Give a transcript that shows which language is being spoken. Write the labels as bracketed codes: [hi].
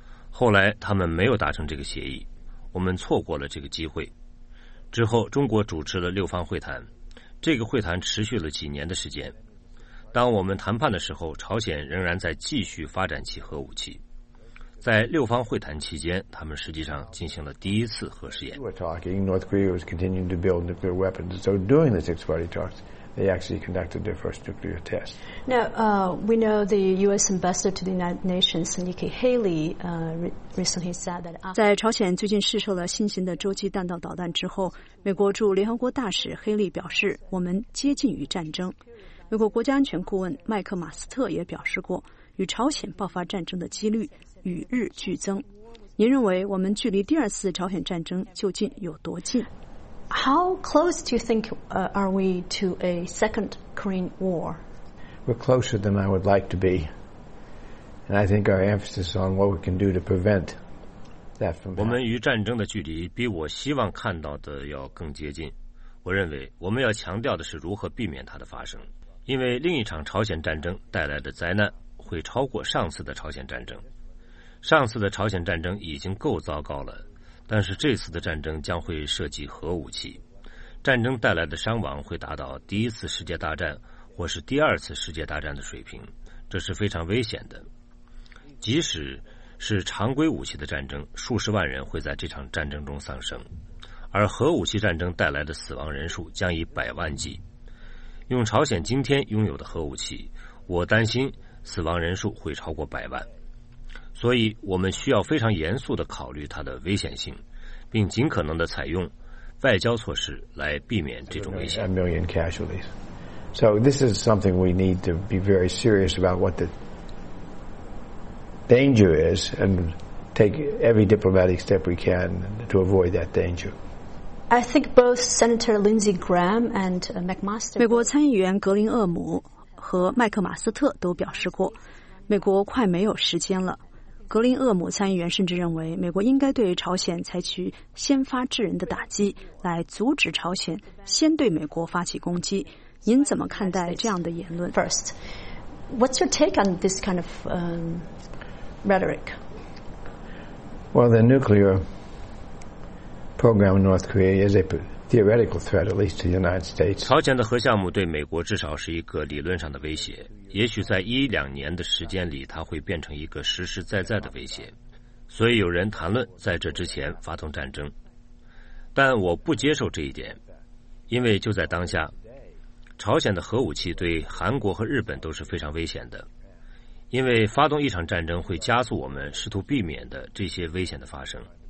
[zh] 后来他们没有达成这个协议，我们错过了这个机会。之后中国主持了六方会谈，这个会谈持续了几年的时间。当我们谈判的时候，朝鲜仍然在继续发展其核武器。在六方会谈期间，他们实际上进行了第一次核试验。 [en] We were talking, North Korea was continuing to build nuclear weapons. So during the six-party talks, they actually conducted their first nuclear test. Now, we know the U.S. ambassador to the United Nations, Nikki Haley, recently said that. [zh] 在朝鲜最近试射了新型的洲际弹道导弹之后，美国驻联合国大使黑利表示，我们接近于战争。美国国家安全顾问麦克马斯特也表示过，与朝鲜爆发战争的几率与日俱增。您认为我们距离第二次朝鲜战争究竟有多近？ [en] How close do you think are we to a second Korean War? We're closer than I would like to be. And I think our emphasis on what we can do to prevent that from happening. [zh] 我们与战争的距离比我希望看到的要更接近。我认为我们要强调的是如何避免它的发生。因为另一场朝鲜战争带来的灾难会超过上次的朝鲜战争。上次的朝鲜战争已经够糟糕了，但是这次的战争将会涉及核武器。战争带来的伤亡会达到第一次世界大战或是第二次世界大战的水平，这是非常危险的。即使是常规武器的战争，数十万人会在这场战争中丧生，而核武器战争带来的死亡人数将以百万计。用朝鲜今天拥有的核武器，我担心死亡人数会超过百万，所以我们需要非常严肃地考虑它的危险性，并尽可能地采用外交措施来避免这种危险。 [en] A million casualties. So this is something we need to be very serious about what the danger is and take every diplomatic step we can to avoid that danger. I think both Senator Lindsey Graham and McMaster. [zh] 美国参议员格林厄姆和麦克马斯特都表示过，美国快没有时间了。格林厄姆参议员甚至认为，美国应该对朝鲜采取先发制人的打击，来阻止朝鲜先对美国发起攻击。您怎么看待这样的言论 [en] ？First, what's your take on this kind of rhetoric? Well, the nuclear. Program in North Korea is a theoretical threat, at least to the United States. [zh] 朝鲜的核项目对美国至少是一个理论上的威胁。也许在一两年的时间里，它会变成一个实实在在的威胁。所以有人谈论在这之前发动战争，但我不接受这一点，因为就在当下，朝鲜的核武器对韩国和日本都是非常危险的，因为发动一场战争会加速我们试图避免的这些危险的发生。